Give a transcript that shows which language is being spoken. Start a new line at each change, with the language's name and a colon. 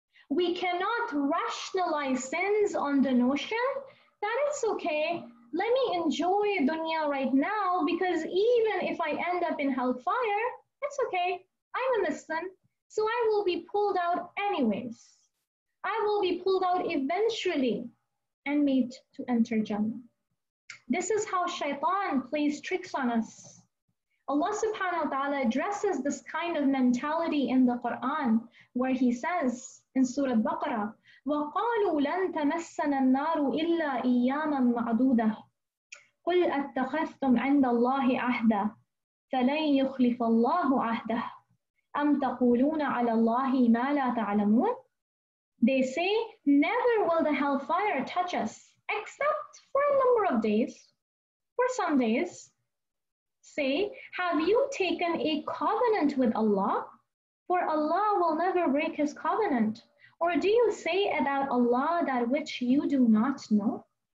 English: We cannot rationalize sins on the notion that it's okay, let me enjoy dunya right now, because even if I end up in hellfire, it's okay, I'm a Muslim, so I will be pulled out anyways. I will be pulled out eventually and made to enter Jannah. This is how shaitan plays tricks on us. Allah subhanahu wa ta'ala addresses this kind of mentality in the Quran, where he says in Surah Baqarah,
Arabic: وَقَالُوا لَن تَمَسَّنَ النَّارُ إِلَّا إِيَّامًا مَعْدُودَةً قُلْ أَتَّخَذْتُمْ عِنْدَ اللَّهِ عَهْدًا فَلَنْ يُخْلِفَ اللَّهُ عَهْدَهُ أَمْ تَقُولُونَ عَلَى اللَّهِ مَا لَا تَعْلَمُونَ.
English: They say, never will the hellfire touch us, except for a number of days, for some days. Say, have you taken a covenant with Allah? For Allah will never break his covenant. Or do you say about Allah that which you do not know?